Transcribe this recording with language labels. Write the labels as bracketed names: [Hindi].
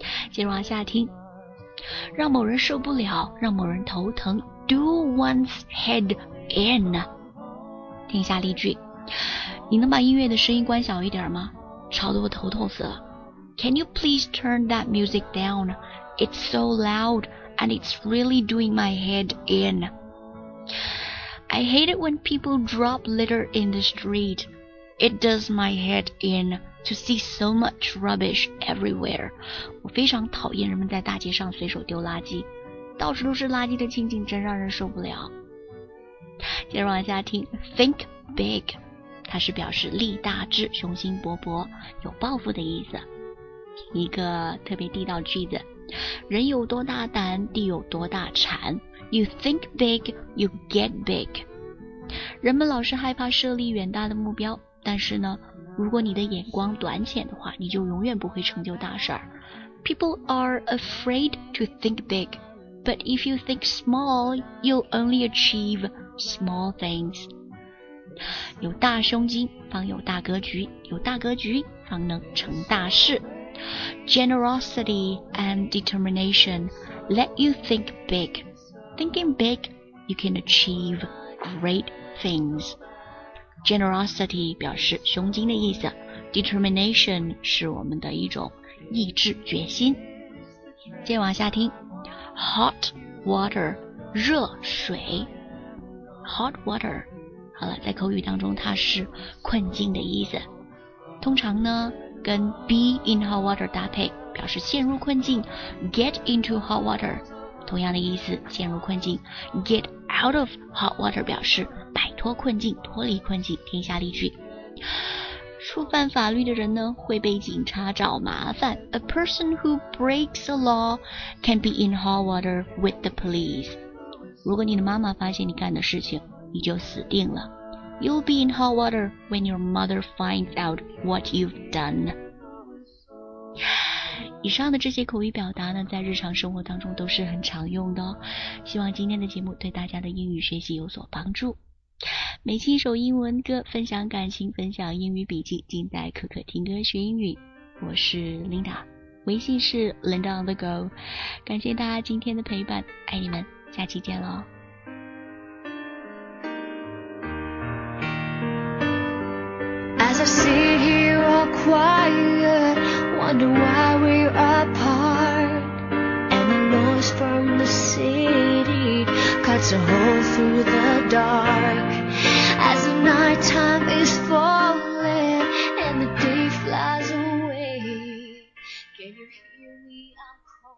[Chinese] 接着往下听，让某人受不了，让某人头疼， [English] do one's head in。 [Chinese] 听一下例句，你能把音乐的声音关小一点吗？吵得我头痛死了。 [English] Can you please turn that music down? It's so loud and it's really doing my head in. I hate it when people drop litter in the street. It does my head in to see so much rubbish everywhere. [Chinese] 我非常讨厌人们在大街上随手丢垃圾，到处都是垃圾的情景真让人受不了。接着往下听， [English] Think big， [Chinese] 它是表示力大志、雄心勃勃、有抱负的意思。一个特别地道的句子，人有多大胆，地有多大产。 [English] You think big, you get big。 [Chinese] 人们老是害怕设立远大的目标，但是呢，如果你的眼光短浅的话，你就永远不会成就大事儿。 [English] People are afraid to think big, but if you think small, you'll only achieve small things. [Chinese] 有大胸襟方有大格局，有大格局方能成大事。 [English] Generosity and determination let you think big. Thinking big, you can achieve great things. [Chinese] Generosity 表示胸襟的意思， determination 是我们的一种意志决心。接往下听， hot water 热水， hot water 好了，在口语当中它是困境的意思，通常呢跟 [English] be in hot water [Chinese] 搭配，表示陷入困境。 [English] get into hot water [Chinese] 同样的意思，陷入困境。 [English] get out of hot water [Chinese] 表示摆脱困境，脱离困境。听下例句，触犯法律的人呢会被警察找麻烦。 [English] A person who breaks the law can be in hot water with the police. [Chinese] 如果你的妈妈发现你干的事情，你就死定了。 [English] You'll be in hot water when your mother finds out what you've done. [Chinese] 以上的这些口语表达呢，在日常生活当中都是很常用的哦。希望今天的节目对大家的英语学习有所帮助。每期一首英文歌，分享感情，分享英语笔记，尽在可可听歌学英语。我是 Linda， 微信是 Linda on the go。感谢大家今天的陪伴，爱你们，下期见咯。 [English] As I sit here all quiet, wonder why we are apart, and the noise from the city cuts a hole through the darkAs the night time is falling and the day flies away, can you hear me? I'm crying.